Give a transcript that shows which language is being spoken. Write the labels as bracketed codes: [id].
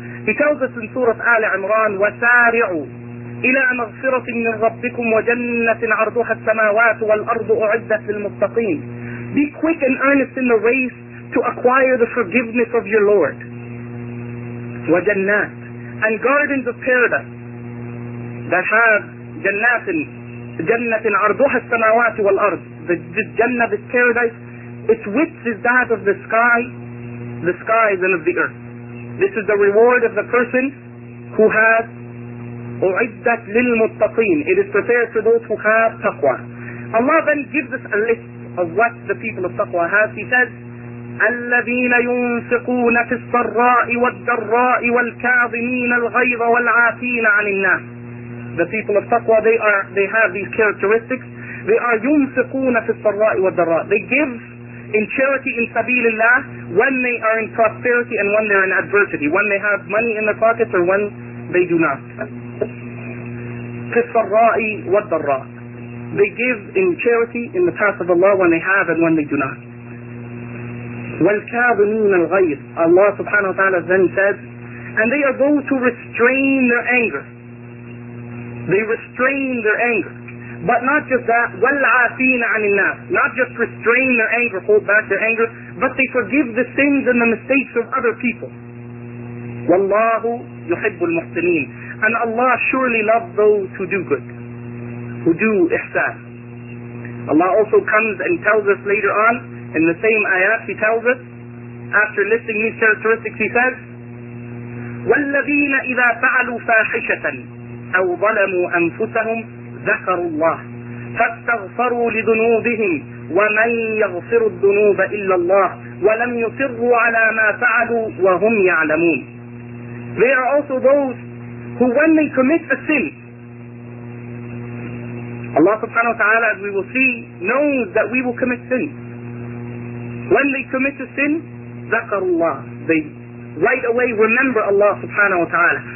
[en] He tells us in Surah Ali Imran, [ar] وَسَارِعُوا إِلَىٰ مَغْفِرَةٍ مِّن رَبِّكُمْ وَجَنَّةٍ عَرْضُهَا السَّمَاوَاتُ وَالْأَرْضُ أُعِدَّتْ لِلْمُتَّقِينَ. [en] Be quick and earnest in the race to acquire the forgiveness of your Lord. [ar] وَجَنَّات [en] And gardens of paradise that have [ar] جَنَّةٍ عَرْضُهَا السَّمَاوَاتُ وَالْأَرْضُ. [en] The Jannah, this paradise, its width is that of the skies and of the earth. This is the reward of the person who has [ar] أُعِدَّتْ لِلْمُتَّقِينَ. [en] It is prepared for those who have taqwa. Allah then gives us a list of what the people of taqwa have. He says, [ar] الَّذِينَ يُنْفِقُونَ فِي السَّرَّاءِ وَالْدَّرَّاءِ وَالْكَاظِمِينَ الْغَيْظَ وَالْعَافِينَ عَنِ النَّاسِ. [en] The people of taqwa, they have these characteristics. They are [ar] يُنْفِقُونَ فِي السَّرَّاءِ وَالْدَّرَّاءِ. [en] They give in charity in sabilillah when they are in prosperity and when they are in adversity, when they have money in their pockets or when they do not. [ar] فِالسَّرَّاءِ وَالْدَّرَّاءِ. [en] They give in charity in the path of Allah when they have and when they do not. [ar] وَالْكَاظِمِينَ الْغَيْظِ. [en] Allah subhanahu wa ta'ala then says, and they are those who restrain their anger. They restrain their anger. But not just that, [ar] وَالْعَافِينَ عَنِ النَّاسِ. [en] Not just restrain their anger, hold back their anger, but they forgive the sins and the mistakes of other people. [ar] وَاللَّهُ يُحِبُّ الْمُحْسِنِينَ. [en] And Allah surely loves those who do good, who do ihsan. Allah also comes and tells us later on, in the same ayat, he tells us, after listing these characteristics, he says, [ar] وَالَّذِينَ إِذَا فَعَلُوا فَاحِشَةً أَوْ ظَلَمُوا أَنفُسَهُمْ ذَكَرُوا اللَّهِ فَاسْتَغْفَرُوا لِذُنُوبِهِمْ وَمَنْ يَغْفِرُ الذُّنُوبَ إِلَّا اللَّهِ وَلَمْ يُصِرُّوا عَلَى مَا فَعَلُوا وَهُمْ يَعْلَمُونَ. [en] They are also those who, when they commit a sin, Allah subhanahu wa ta'ala, as we will see, knows that we will commit sin. When they commit a sin, [ar] ذَكَرُوا اللَّهِ. [en] They right away remember Allah subhanahu wa ta'ala.